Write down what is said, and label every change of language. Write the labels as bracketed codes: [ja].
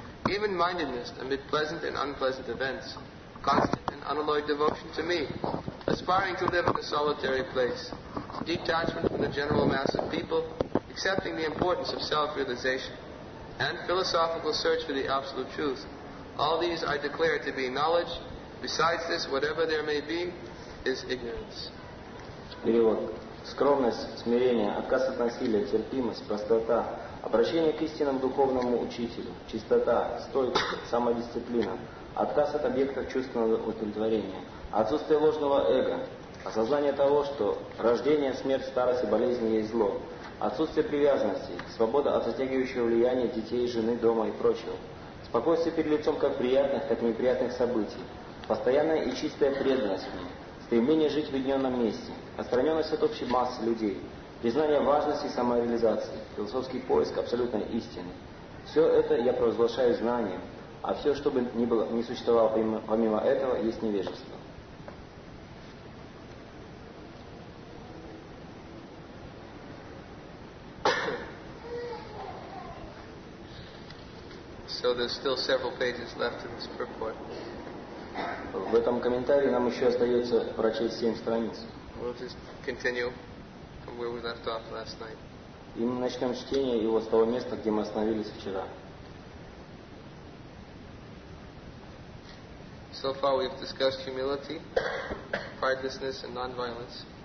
[en] even-mindedness amid pleasant and unpleasant events, constant and unalloyed devotion to me, aspiring to live in a solitary place, detachment from the general mass of people, accepting the importance of self-realization, and philosophical search for the absolute truth. All these I declare to be knowledge. Besides this, whatever there may be, is ignorance. [ru] Перевод. Скромность, смирение, отказ от насилия, терпимость, простота, обращение к истинному духовному учителю, чистота, стойкость, самодисциплина, отказ от объектов чувственного удовлетворения, отсутствие ложного эго, осознание того, что рождение, смерть, старость и болезни есть зло, отсутствие привязанности, свобода от затягивающего влияния детей, жены, дома и прочего, спокойствие перед лицом как приятных, так и неприятных событий, постоянная и чистая преданность мне, стремление жить в уединенном месте, отстраненность от общей массы людей, признание важности самореализации, философский поиск абсолютной истины. Все это я провозглашаю знанием, а все, что бы ни было, не существовало помимо этого, есть невежество. [en] So there's still several pages left in this purport. [ru] В этом комментарии нам еще остается прочесть 7 страниц. [en] We'll just continue from where we left off last night. [ru] И мы начнем чтение его с того места, где мы остановились вчера. [en] So far we've discussed humility, pridelessness, and non-violence.